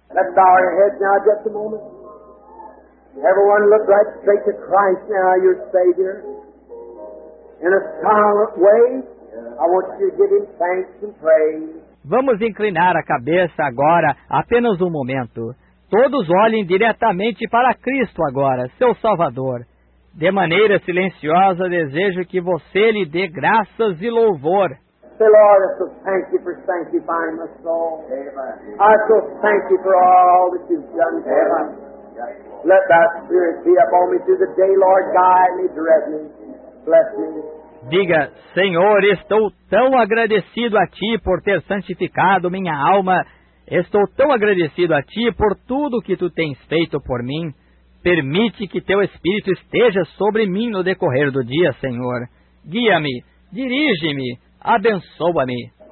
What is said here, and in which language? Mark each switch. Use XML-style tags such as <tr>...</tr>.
<en>Let's bow our heads now just a moment. Everyone look right straight to Christ now, your Savior. In a silent way, I want you to give Him thanks and praise.</en> <pt>Vamos inclinar a cabeça agora, apenas um momento. Todos olhem diretamente para Cristo agora, seu Salvador. De maneira silenciosa, desejo que você lhe dê graças e louvor.</pt> <en>Say, Lord, I so thank you for sanctifying my soul. I so thank you for all that you've done for me. Let that Spirit be upon me through the day, Lord. Guide me, direct me, bless me.</en> <pt>Diga, Senhor, estou tão agradecido a Ti por ter santificado minha alma. Estou tão agradecido a Ti por tudo que Tu tens feito por mim. Permite que Teu Espírito esteja sobre mim no decorrer do dia, Senhor. Guia-me, dirige-me, abençoa-me.</pt>